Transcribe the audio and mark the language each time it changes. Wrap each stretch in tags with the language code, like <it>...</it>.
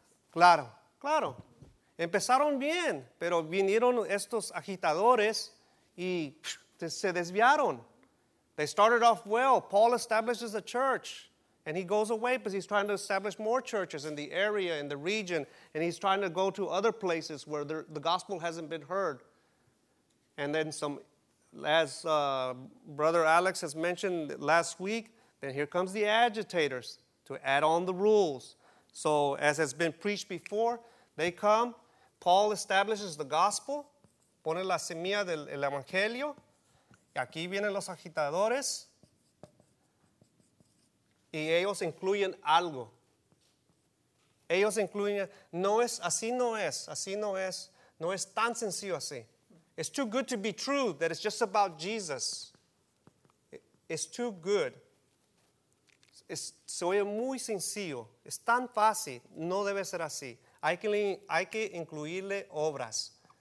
<es>Claro, Claro. Empezaron bien, pero vinieron estos agitadores y se desviaron.</es> <en>They started off well. Paul establishes the church, and he goes away because he's trying to establish more churches in the area, in the region, and he's trying to go to other places where the gospel hasn't been heard. And then some, as Brother Alex has mentioned last week, then here comes the agitators to add on the rules. So as has been preached before, they come, Paul establishes the gospel,</en> <es>pone la semilla del evangelio, y aquí vienen los agitadores, y ellos incluyen algo. Ellos incluyen, no es, así no es, así no es, no es tan sencillo así.</es> <en>It's too good to be true that it's just about Jesus. It's too good.</en> <es>Se oye muy sencillo, es tan fácil, no debe ser así. Hay que incluirle obras.</es>